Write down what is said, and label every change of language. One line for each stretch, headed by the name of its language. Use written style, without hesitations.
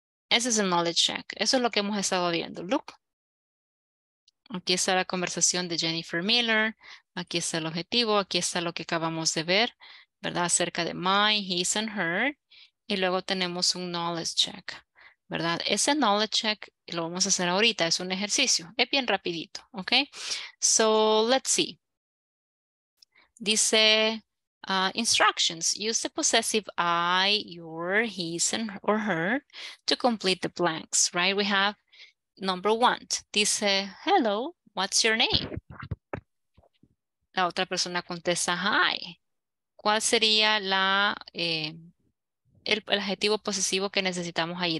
Spanish: Ese es el knowledge check, eso es lo que hemos estado viendo, look. Aquí está la conversación de Jennifer Miller, aquí está el objetivo, aquí está lo que acabamos de ver, ¿verdad? Acerca de my, his and her, y luego tenemos un knowledge check, ¿verdad? Ese knowledge check lo vamos a hacer ahorita, es un ejercicio, es bien rapidito, ¿ok?
English: So, let's see. Dice, instructions, use the possessive I, your, his and, or her to complete the blanks, right? We have number one, dice, hello, what's your name?
Spanish: La otra persona contesta, hi. ¿Cuál sería la, el adjetivo posesivo que necesitamos ahí?